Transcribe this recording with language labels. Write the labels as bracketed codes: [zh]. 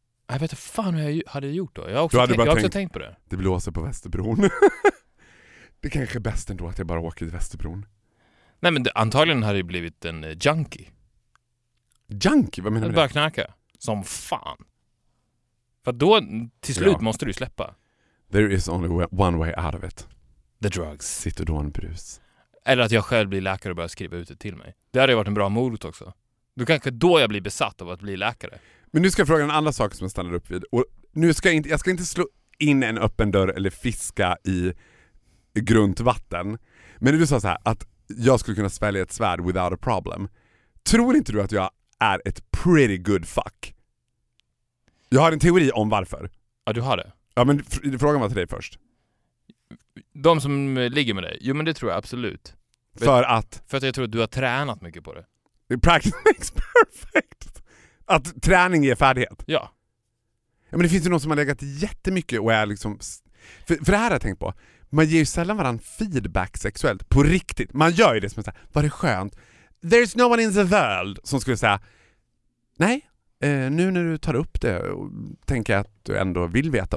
[sv] Jag vet inte fan hur jag hade gjort då. Jag har också tänkt på det. Det blåser på Västerbron. Det kanske är bäst ändå att jag bara åker till Västerbron. Nej, men antagligen hade det blivit en junkie. Junkie? Vad menar du? Jag börjar knarka. Som fan. För då, till slut, ja, måste du släppa. [en] There is only one way out of it. The drugs. [sv] Citodon brus. Eller att jag själv blir läkare och börjar skriva ut det till mig. Det hade ju varit en bra morot också. Då kanske då jag blir besatt av att bli läkare. Men nu ska jag fråga en annan sak som jag stannar upp vid. Och nu ska jag inte, slå in en öppen dörr eller fiska i grunt vatten. Men du sa så här, att jag skulle kunna svälja ett svärd [en] without a problem. [sv] Tror inte du att jag är ett [en] pretty good fuck? [sv] Jag har en teori om varför. Ja, du har det. Ja, men frågan var till dig först. De som ligger med dig. Jo, men det tror jag absolut. För att jag tror att du har tränat mycket på det. [en] Practice makes perfect. [sv] Att träning ger färdighet. Ja. Ja, men det finns ju någon som har legat jättemycket och är liksom... För det här har jag tänkt på. Man ger ju sällan varann feedback sexuellt. På riktigt. Man gör ju det som att säga, var det skönt? [en] There's no one in the world [sv] som skulle säga, nej, nu när du tar upp det och tänker att du ändå vill veta.